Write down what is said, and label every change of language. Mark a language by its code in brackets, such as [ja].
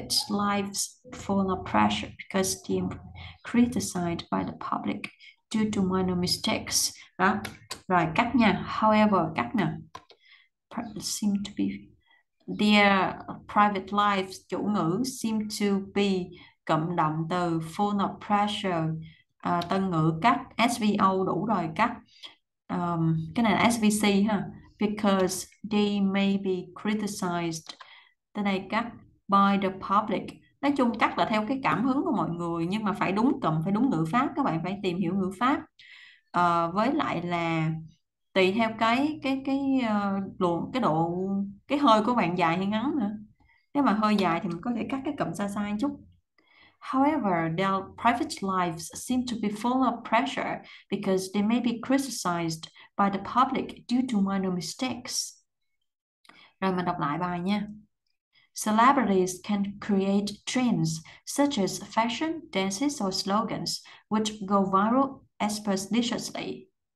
[en] Lives full of pressure because they criticized by the public due to minor mistakes. [vi] Đó. Rồi cắt nha. [en] However, [vi] cắt nè. [en] Seem to be their private lives, [vi] chủ ngữ [en] seem to be [vi] cộng động từ [en] full of pressure, [vi] tân ngữ cắt [en] SVO [vi] đủ rồi cắt. Cái này là SVC ha. [en] Because they may be criticized. [vi] Cái này cắt [en] by the public. [vi] Nói chung chắc là theo cái cảm hứng của mọi người, nhưng mà phải đúng cụm, phải đúng ngữ pháp, các bạn phải tìm hiểu ngữ pháp. Với lại là tùy theo cái hơi của bạn dài hay ngắn nữa. Nếu mà hơi dài thì mình có thể cắt cái cụm xa xa một chút. [en] However, their private lives seem to be full of pressure because they may be criticized by the public due to minor mistakes. [vi] Rồi mình đọc lại bài nha. [en] Celebrities can create trends such as fashion, dances, or slogans which go viral expeditiously.